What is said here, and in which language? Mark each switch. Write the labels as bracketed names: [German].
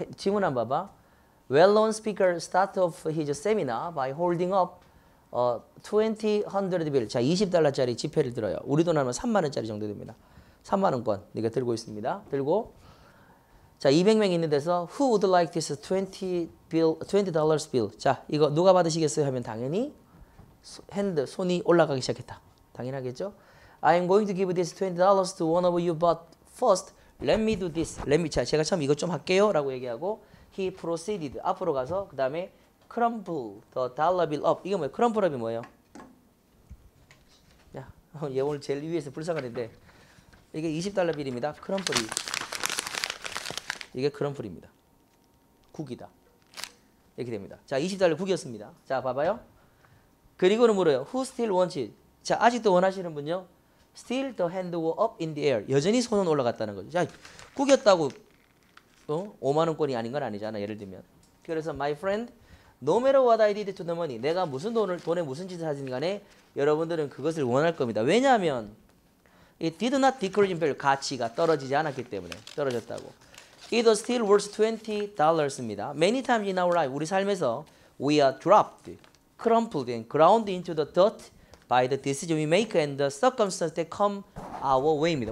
[Korean] 지문 한번 봐봐. [English] Well-known speaker start off his seminar by holding up 20, 100 bill. [Korean] 자, 20달러짜리 지폐를 들어요. 우리 돈으로 하면 3만원짜리 정도 됩니다. 3만원권 네가 들고 있습니다. 들고, 자, 200명 있는 데서 [English] Who would like this 20 dollars bill? [Korean] 자, 이거 누가 받으시겠어요? 하면 당연히 핸드, 손이 올라가기 시작했다. 당연하겠죠? [English] I'm going to give this 20 dollars to one of you, but first, let me do this. Let me, [Korean] 자, 제가 처음 이것 좀 할게요. 라고 얘기하고, [English] he proceeded. [Korean] 앞으로 가서, 그 다음에, [English] Crumple the dollar bill up. [Korean] 이게 뭐예요? Crumple up이 뭐예요? 야, 얘 오늘 제일 위에서 불쌍한데 이게 20달러 빌입니다. 크럼플이. 이게 크럼플입니다. 국이다. 이렇게 됩니다. 자, 20달러 국이었습니다. 자, 봐봐요. 그리고는 물어요. [English] Who still wants it? [Korean] 자, 아직도 원하시는 분요. [English] Still the hand was up in the air. [Korean] 여전히 손은 올라갔다는 거죠. 자, 국이었다고 어? 5만 원권이 아닌 건 아니잖아, 예를 들면. 그래서 [English] my friend, no matter what I did to the money, [Korean] 내가 무슨 돈을 돈에 무슨 짓을 하든 간에 여러분들은 그것을 원할 겁니다. 왜냐하면 [English] it did not decrease in value. [Korean] 가치가 떨어지지 않았기 때문에 떨어졌다고. [English] It was still worth $20입니다. Many times in our life, [Korean] 우리 삶에서 [English] we are dropped, crumpled, and ground into the dirt by the decision we make and the circumstances that come our way입니다.